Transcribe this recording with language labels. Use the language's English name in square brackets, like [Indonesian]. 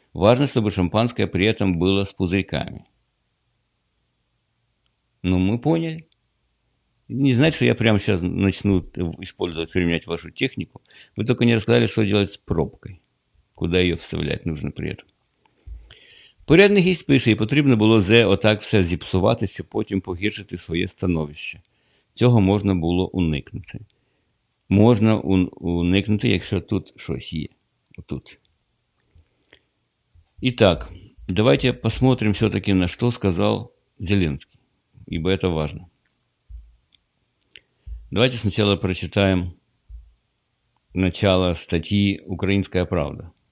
[Russian] Важно, чтобы шампанское при этом было с пузырьками. Ну, мы поняли. Не значит, что я прямо сейчас начну использовать, применять вашу технику. Вы только не рассказали, что делать с пробкой. Куда ее вставлять нужно при этом. [Ukrainian] Порядний гість пише, і потрібно було зе отак все зіпсувати, щоб потім погіршити своє становище. Цього можна було уникнути. Можна уникнути, якщо тут щось є. [Russian] Вот тут. Итак, давайте посмотрим все-таки, на что сказал Зеленский, ибо это важно. Давайте сначала прочитаем начало статьи «Украинская правда».